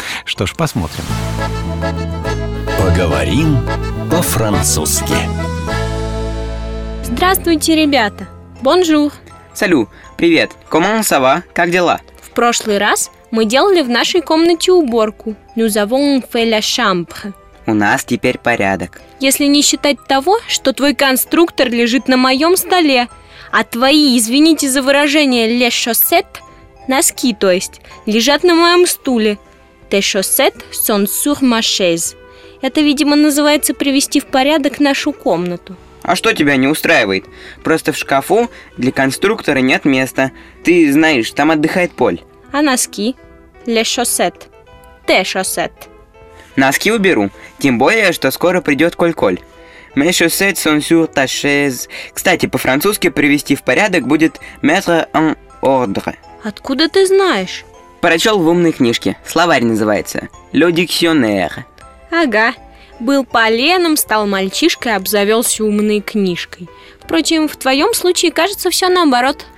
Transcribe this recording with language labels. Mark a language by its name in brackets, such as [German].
[Russian] Что ж, посмотрим. «Поговорим по-французски». Здравствуйте, ребята! Бонжур! Салю! Привет! [French] Comment ça va? [Russian] Как дела? В прошлый раз мы делали в нашей комнате уборку. [French] Nous avons fait la chambre. [Russian] У нас теперь порядок. Если не считать того, что твой конструктор лежит на моем столе, а твои, извините за выражение, [French] les chaussettes, [Russian] носки, то есть, лежат на моем стуле. [French] Tes chaussettes sont sur ma chaise. [Russian] Это, видимо, называется привести в порядок нашу комнату. А что тебя не устраивает? Просто в шкафу для конструктора нет места. Ты знаешь, там отдыхает Поль. А носки? [French] Les chaussettes. Tes chaussettes. [Russian] Носки уберу. Тем более, что скоро придет Коль-Коль. [French] Mes chaussettes sont sur ta chaise. [Russian] Кстати, по-французски привести в порядок будет [French] mettre en ordre. [Russian] Откуда ты знаешь? Прочел в умной книжке. Словарь называется. Le dictionnaire. Ага. Был поленом, стал мальчишкой, обзавелся умной книжкой. Впрочем, в твоем случае кажется все наоборот.